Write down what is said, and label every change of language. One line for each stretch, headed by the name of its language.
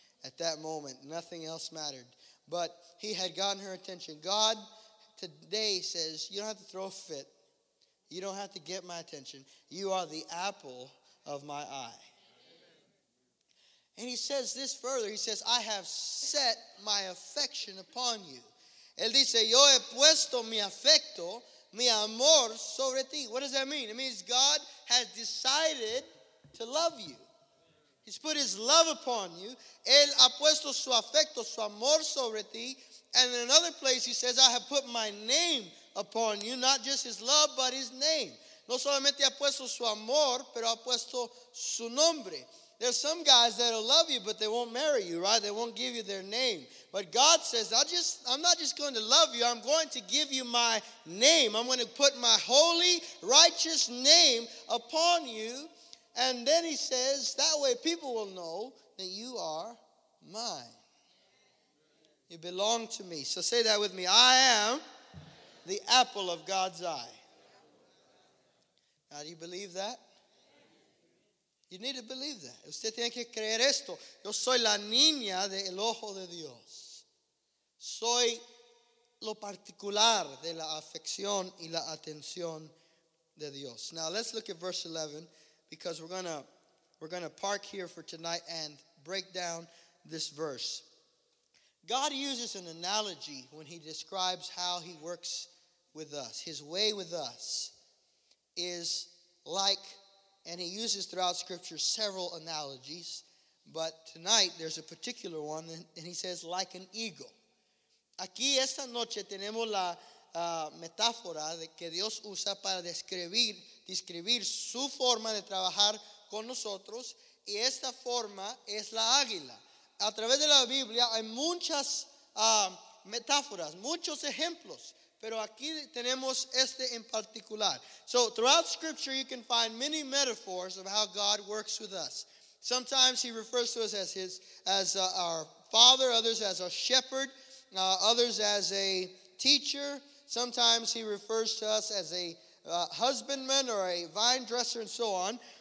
English: At that moment, nothing else mattered, but he had gotten her attention. God today says, you don't have to throw a fit. You don't have to get my attention. You are the apple of my eye. And he says this further. He says, I have set my affection upon you.
Spanish: Él dice, yo he puesto mi afecto, mi amor sobre ti.
English: What does that mean? It means God has decided to love you. He's put his love upon you.
Spanish: Él ha puesto su afecto, su amor sobre ti.
English: And in another place he says, I have put my name upon you. Not just his love, but his name.
Spanish: No solamente ha puesto su amor, pero ha puesto su nombre.
English: There's some guys that will love you, but they won't marry you, right? They won't give you their name. But God says, I'm not just going to love you. I'm going to give you my name. I'm going to put my holy, righteous name upon you. And then he says, that way people will know that you are mine. You belong to me. So say that with me. I am the apple of God's eye. Now, do you believe that? You need to believe that.
Spanish: Usted tiene que creer esto. Yo soy la niña del ojo de Dios. Soy lo particular de la afección y la atención de Dios.
English: Now, let's look at verse 11 because we're gonna park here for tonight and break down this verse. God uses an analogy when he describes how he works with us. His way with us is like, and he uses throughout Scripture several analogies, but tonight there's a particular one, and he says, like an eagle.
Spanish: Aquí esta noche tenemos la metáfora de que Dios usa para describir su forma de trabajar con nosotros, y esta forma es la águila. A través de la Biblia hay muchas metáforas, muchos ejemplos, pero aquí tenemos este en particular.
English: So throughout Scripture you can find many metaphors of how God works with us. Sometimes he refers to us as our father, others as a shepherd, others as a teacher. Sometimes he refers to us as a husbandman or a vine dresser and so on.